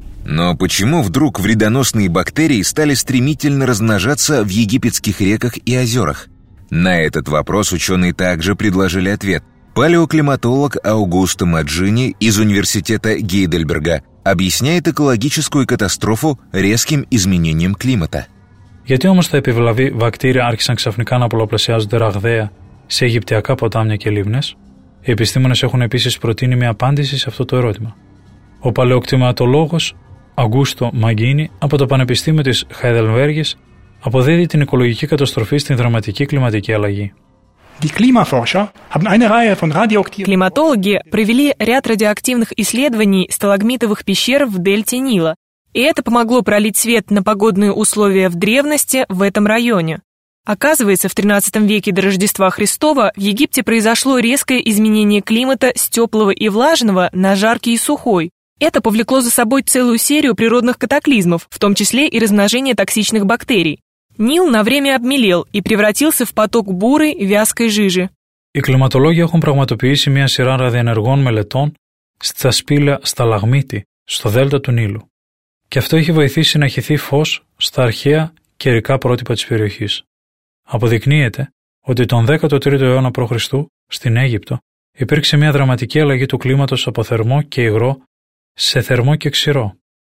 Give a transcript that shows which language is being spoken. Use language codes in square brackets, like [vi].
[ru] Но почему вдруг вредоносные бактерии стали стремительно размножаться в египетских реках и озерах? На этот вопрос ученые также предложили ответ. Палеоклиматолог Аугусто Маджини из университета Гейдельберга объясняет экологическую катастрофу резким изменением климата. [el] Γιατί όμως τα επιβλαβή βακτήρια άρχισαν ξαφνικά να πολλαπλασιάζονται ραγδαία σε αιγυπτιακά ποτάμια και λίμνες? Οι επιστήμονες έχουν επίσης προτείνει μια απάντηση σε αυτό το ερώτημα. Ο παλαιοκτηματολόγος Αγκούστο Μαγκίνι από το Πανεπιστήμιο της Χαϊδελβέργης αποδίδει την οικολογική καταστροφή στην δραματική κλιματική αλλαγή. Κλιματόλογοι [ru] провели ряд радиоактивных исследований сталагмитовых пещер в дельте Нила, и это помогло пролить свет на погодные условия в древности в этом районе. Оказывается, в 13 веке до Рождества Христова в Египте произошло резкое изменение климата с теплого и влажного на жаркий и сухой. Это повлекло за собой целую серию природных катаклизмов, в том числе и размножение токсичных бактерий. Нил на время обмелел и превратился в поток бурой, вязкой жижи. [el] Οι κλιματολόγοι έχουν πραγματοποιήσει μια σειρά ραδιενεργών μελετών στα σπήλαια Σταλαγμίτη, στο δέλτα του Νείλου. Και αυτό έχει βοηθήσει να χυθεί φως στα αρχαία καιρικά πρότυπα της περιοχής. Αποδεικνύεται ότι τον 13ο αιώνα π.Χ. στην Αίγυπτο υπήρξε μια δραματική αλλαγή του κλίματος από θερμό και υγρό σε θερμό και ξηρό.